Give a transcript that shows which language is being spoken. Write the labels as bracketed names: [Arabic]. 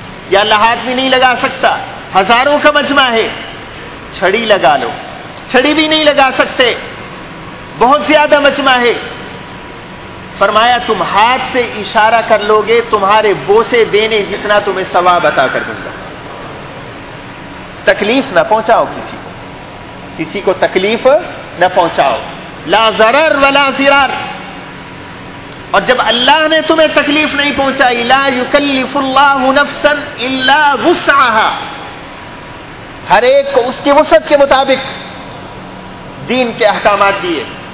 [Urdu] یا اللہ ہاتھ بھی نہیں لگا سکتا, ہزاروں کا مجمع ہے, چھڑی لگا لو. چھڑی بھی نہیں لگا سکتے, بہت زیادہ مجمع ہے. فرمایا تم ہاتھ سے اشارہ کر لو گے تمہارے بوسے دینے جتنا تمہیں ثواب عطا کر دوں گا. تکلیف نہ پہنچاؤ کسی کو, کسی کو تکلیف نہ پہنچاؤ. [Arabic] لا ضرر ولا ضرار, [Urdu] اور جب اللہ نے تمہیں تکلیف نہیں پہنچائی, [Arabic] لا یکلف اللہ نفسا الا وسعہا, [Urdu] ہر ایک کو اس کی وسعت کے مطابق دین کے احکامات دیے.